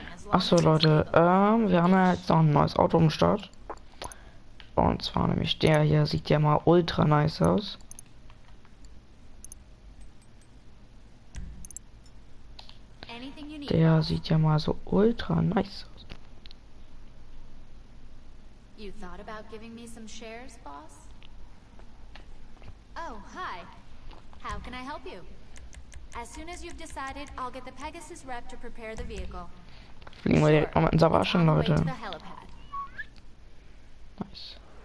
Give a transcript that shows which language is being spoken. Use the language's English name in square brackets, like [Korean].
[German] Achso Leute, wir haben ja jetzt noch ein neues Auto im Start. Und zwar nämlich der hier. Sieht ja mal ultra nice aus. Der sieht ja mal so ultra nice aus. [English] You thought about giving me some shares, boss? Oh, hi. How can I help you? As soon as you've decided, I'll get the Pegasus rep to prepare the vehicle. [German] Fliegen wir direkt mal mit den Savaschen, Leute. Nice.